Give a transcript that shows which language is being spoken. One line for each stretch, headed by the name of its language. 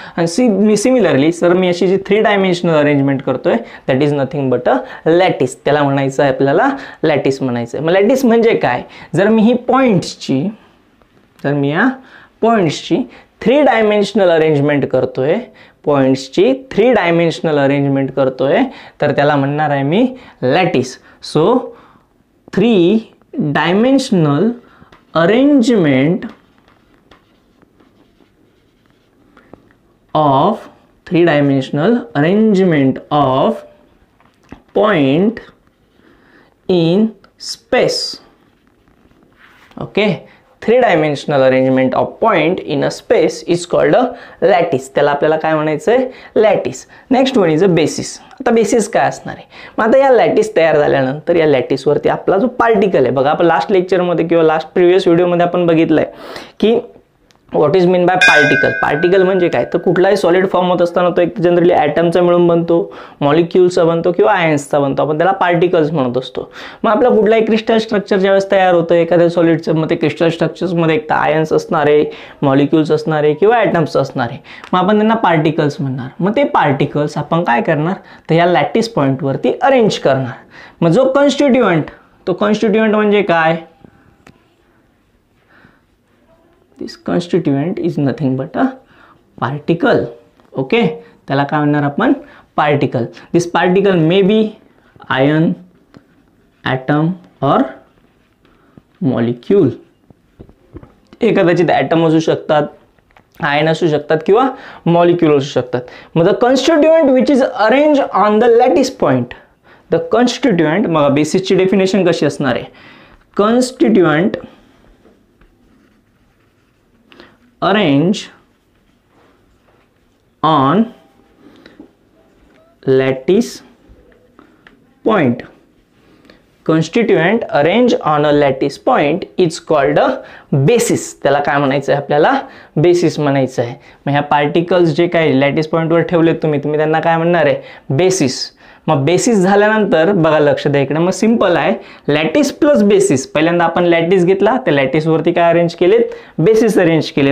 Marathi: आणि similarly sir, मी अशी जी three dimensional arrangement करतोय,
English: that is nothing but a lattice,
Marathi: त्याला म्हणायचं आहे आपल्याला लॅटिस म्हणायचं आहे. मग लॅटिस म्हणजे काय? जर मी ही पॉइंट्सची, जर मी या पॉइंट्सची थ्री डायमेन्शनल अरेंजमेंट करतोय, पॉइंट्सची थ्री डायमेन्शनल अरेंजमेंट करतोय, तर त्याला म्हणणार आहे मी lattice.
English: So three dimensional arrangement of, three dimensional arrangement of point in space. Okay, three dimensional arrangement of point in a space is called a lattice,
Marathi: त्याला आपल्याला काय म्हणायचं आहे lattice.
English: Next one is a basis.
Marathi: आता basis काय असणार आहे? मग आता या लॅटिस तयार झाल्यानंतर या लॅटिसवरती आपला जो पार्टिकल आहे, बघा, आपण लास्ट लेक्चरमध्ये किंवा लास्ट प्रिव्हियस व्हिडिओमध्ये आपण बघितलं आहे की
English: What is mean by particle.
Marathi: Particle म्हणजे काय? तर कुठलाही सॉलिड फॉर्म होत असताना तो एक जनरली ॲटमचा मिळून बनतो, मॉलिक्युल्सचा बनतो किंवा आयन्सचा बनतो, आपण त्याला पार्टिकल्स म्हणत असतो. मग आपला कुठलाही क्रिस्टल स्ट्रक्चर ज्यावेळेस तयार होतं एखाद्या सॉलिडचं, मग ते क्रिस्टल स्ट्रक्चर्समध्ये एक तर आयन्स असणारे, मॉलिक्युल्स असणारे किंवा ॲटम्स असणारे, मग आपण त्यांना पार्टिकल्स म्हणणार. मग ते पार्टिकल्स आपण काय करणार, तर ह्या लॅटिस पॉईंटवरती अरेंज करणार. मग जो कॉन्स्टिट्युएंट, तो कॉन्स्टिट्युएंट म्हणजे काय?
English: This constituent is nothing but a particle.
Marathi: Okay, त्याला काय म्हणणार आपण? Particle.
English: This particle may be ion, atom or molecule.
Marathi: हे कदाचित ॲटम असू शकतात, आयन असू शकतात किंवा मॉलिक्युल असू शकतात.
English: मग the constituent which is arrange on the lattice point, the constituent,
Marathi: मग बेसिसची डेफिनेशन कशी असणार आहे?
English: Constituent arrange on lattice point. Constituent arrange on a lattice point is called a basis.
Marathi: त्याला काय म्हणायचं आहे आपल्याला? बेसिस म्हणायचं आहे. मग ह्या पार्टिकल्स जे काही लॅटिस पॉईंटवर ठेवलेत तुम्ही, तुम्ही त्यांना काय म्हणणार आहे? बेसिस. मग बेसिस झाल्यानंतर बघा लक्ष द्या इकडे, मग सिंपल आहे लॅटिस प्लस बेसिस. पहिल्यांदा आपण लॅटिस घेतला, त्या लॅटिसवरती काय अरेंज केलेत, बेसिस अरेंज केले.